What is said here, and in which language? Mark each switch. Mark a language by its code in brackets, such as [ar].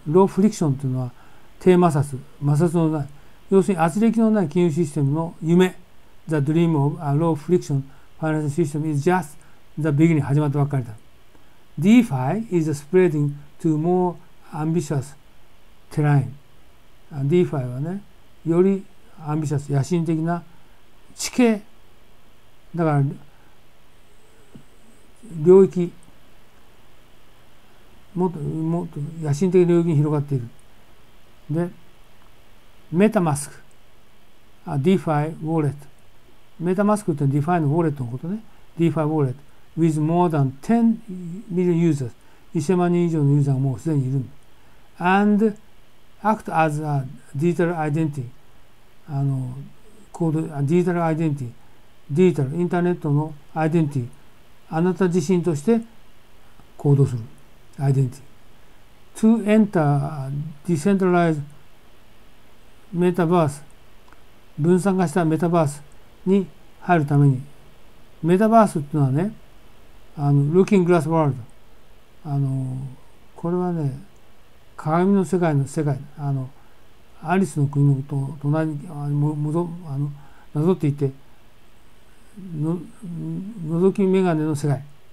[ja] Low friction というのは低摩擦、摩擦のない、要するに圧力のない金融システムの夢。 [en] The dream of a low friction financial system is just the beginning. [ja] 始まったばかりだ。 [en] DeFi is spreading to more ambitious terrain. [ja] DeFi はね、よりアンビシャス、野心的な地形。だから、領域。もっと野心的な領域に広がっている。で、MetaMask。 DeFi Wallet。 MetaMask って DeFi のウォレットのことね。 DeFi Wallet。 [en] With more than 10 million users. [ja] 1000万人以上のユーザーがもうすでにいる。 [en] And act as a digital identity. [ja] ディジタルアイデンティティ、ディジタル、インターネットのアイデンティティ、あなた自身として行動するアイデンティティ。 [en] To enter decentralized metaverse、 [ja] 分散化したメタバースに入るために、メタバースっていうのはね、 [en] looking glass world、 [ja] これはね、鏡の世界の世界、アリスの国のことを隣にもなぞっていて、のぞき眼鏡の世界。